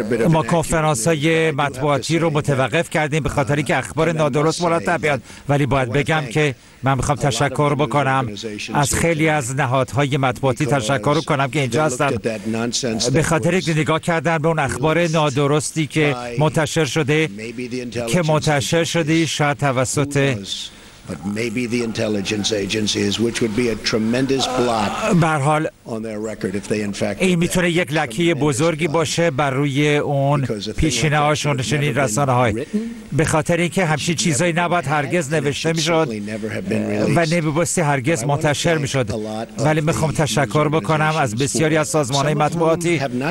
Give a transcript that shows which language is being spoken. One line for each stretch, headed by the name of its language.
Persian: ما کنفرانس‌های مطبوعاتی رو متوقف کردیم به خاطری که اخبار نادرست مرتب بیاد، ولی باید بگم که من میخوام تشکر بکنم از خیلی از نهادهای مطبوعاتی، تشکر کنم که اینجا هستن به خاطر اینکه نگاه کردن به اون اخبار نادرستی که منتشر شده، که منتشر شده شاید توسط
English: But maybe the intelligence agencies, which would be a tremendous blot on their record if they in fact.
Persian: این میتونه یک لکه بزرگی باشه بر روی اون پیشینه‌هاشون شنید رسانه‌های. به خاطر اینکه همچین چیزایی نباید هرگز نوشته میشد و نمیبایستی هرگز منتشر میشد. ولی میخوام تشکر بکنم از بسیاری از سازمان‌های مطبوعاتی.